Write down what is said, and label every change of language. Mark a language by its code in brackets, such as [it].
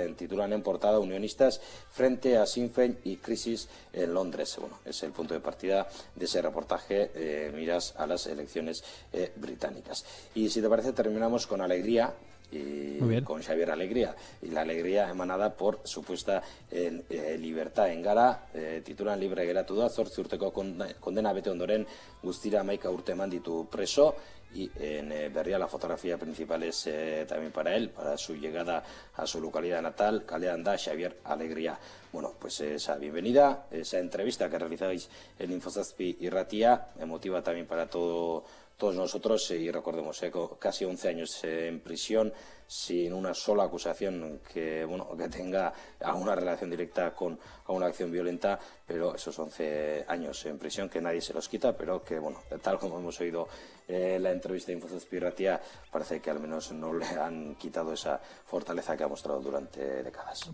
[es] Titulan en portada Unionistas frente a Sinn Féin y crisis en Londres. Bueno, es el punto de partida de ese reportaje, miras a las elecciones británicas. Y si te parece, terminamos con Alegría y con Xavier Alegría, y la alegría emanada por supuesta libertad. En Gara titulan [eu] libre geratu da, 8 urteko condena bete ondoren guztira 11 urte eman ditu preso. [es] Y en Berria la fotografía principal es también para él, para su llegada a su localidad natal, [eu] kalean da [es] Xavier Alegría. Bueno, pues esa bienvenida, esa entrevista que realizáis en Infozazpi Irratia, emotiva también para todos nosotros, y recordemos, casi 11 años en prisión sin una sola acusación que tenga alguna relación directa con alguna acción violenta, pero esos 11 años en prisión que nadie se los quita, pero que, bueno, tal como hemos oído la entrevista de Infozazpi Irratia, parece que al menos no le han quitado esa fortaleza que ha mostrado durante décadas.